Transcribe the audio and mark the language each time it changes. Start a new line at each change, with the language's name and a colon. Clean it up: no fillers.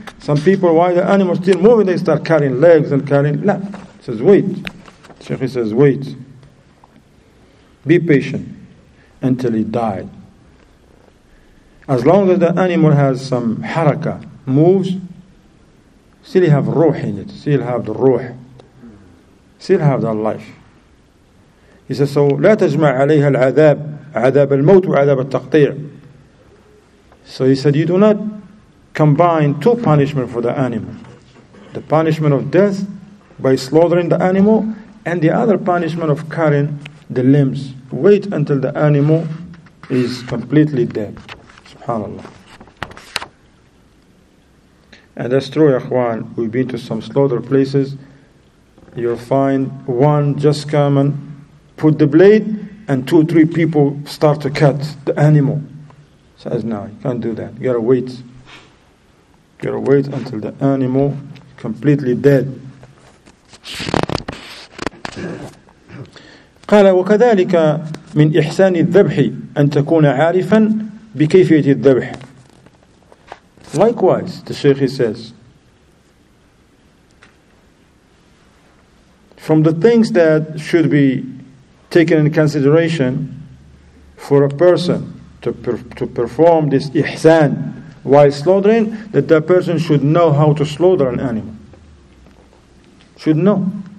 English: Some people, why the animal still moving, they start cutting legs and cutting. No. He says, wait. Sheikh says, wait. Be patient until he died. As long as the animal has some haraka, moves, still he have ruh in it, still have the ruh, still have the life. He says, so
Arabic: لا تجمع عليها العذاب عذاب الموت وعذاب التقطيع.
English: So he said, you do not combine two punishments for the animal. The punishment of death by slaughtering the animal and the other punishment of cutting the limbs. Wait until the animal is completely dead. SubhanAllah. And that's true, Ikhwan. We've been to some slaughter places. You'll find one just come and put the blade and two or three people start to cut the animal. Says, no, you can't do that. You gotta wait. You gotta wait until the animal is completely dead.
Arabic: قال وكذلك من إحسان الذبح أن تكون عارفا بكيفية الذبح.
English: Likewise, the Sheikh says, from the things that should be taken in consideration for a person to perform this ihsan while slaughtering, that person should know how to slaughter an animal. Should know.